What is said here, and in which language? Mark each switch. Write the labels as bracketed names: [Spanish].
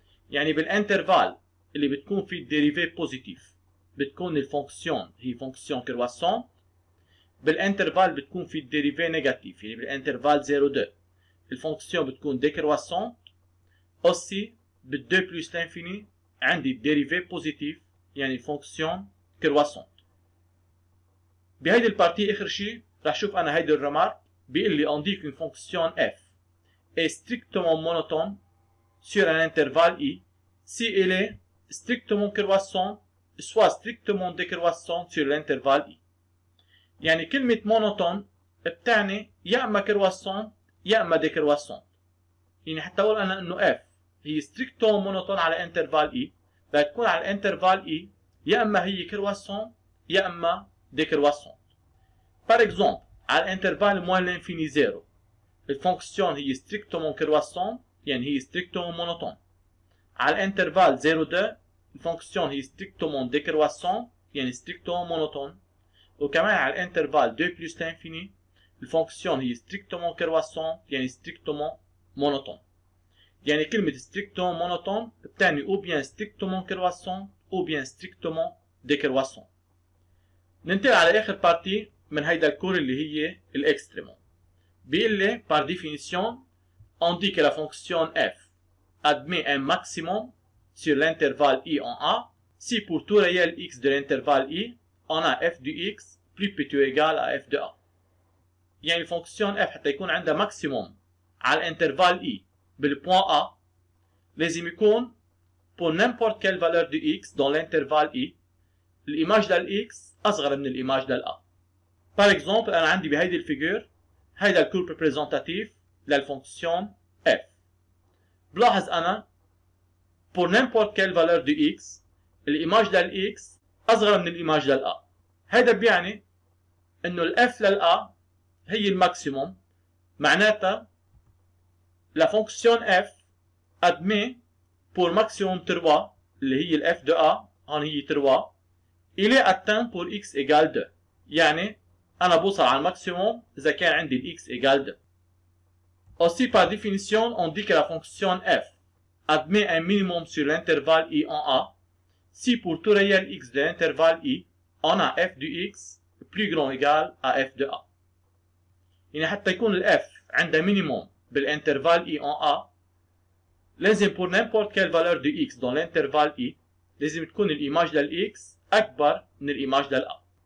[Arabic] يعني بالانترفال اللي بتكون فيه الديريفي بوزيتيف بتكون الفونكسيون هي فونكسيون كرواسون، بالانترفال بتكون فيه الديريفي نيجاتيف يعني بالانترفال 0 2 الفونكسيون بتكون ديكرواسون. اوسي بال2 بلس انفيني عندي الديريفي بوزيتيف يعني الفونكسيون كرواسون. بهيدي البارتي اخر شيء رح شوف انا هيدي الرمار بيقول لي [French] اون ديك فونكسيون اف est strictement monotone sur un intervalle i si elle est strictement croissante soit strictement décroissante sur l'intervalle i. [Arabic] يعني كلمة monotone بتعني يا اما croissante يا اما décroissante. يعني حتى اقول انا انه f هي strictement monotone على intervalle i بتكون على intervalle i يا اما هي croissante يا اما décroissante. Par exemple على intervalle moins l'infini 0 الفونكسيون هي strictement croissante يعني هي strictement monotone. على الانترفال 0 2 الفونكسيون هي strictement décroissante يعني strictement monotone. وكمان على الانترفال 2 plus l'infini الفونكسيون هي strictement croissante يعني strictement monotone. يعني كلمة strictement monotone بتعني او بيان strictement croissante او بيان strictement décroissante. ننتقل على اخر بارتي من هيدا الكور اللي هي الاكستريمون. [French] Billet, par définition, on dit que la fonction f admet un maximum sur l'intervalle i en A si pour tout réel x de l'intervalle i, on a f de x plus petit ou égal à f de A. Il y a une fonction f qui est un maximum à l'intervalle i, dans le point A, les imicônes, pour n'importe quelle valeur de x dans l'intervalle i, l'image de x est plus grande que l'image de A. Par exemple, on a dans cette figure, [Arabic] هيدا الكورب ريبريزنتاتيف للفونكسيون [French] f. [Arabic] بلاحظ انا بور نيمبورت كيل فالور دو x الايماج لل x اصغر من الايماج لل a. هيدا بيعني انه ال f لل a هي الماكسيموم، معناتها لا فونكسيون f ادمي بور ماكسيموم 3 اللي هي ال f دو a هون هي 3 الي اتان بور x ايجال 2. يعني انا بوصل على الماكسيموم اذا كان عندي الاكس ايجال 2. [French] aussi par définition on dit que la fonction f admet un minimum sur l'intervalle i en a si pour tout réel x de l'intervalle i on a f de x plus grand égal à f de a. [Arabic] يعني حتى يكون ال f عنده minimum بالانترفال i en a لازم [French] pour n'importe quelle valeur de x dans l'intervalle i [Arabic] لازم تكون الايماج لل x اكبر من الايماج لل a.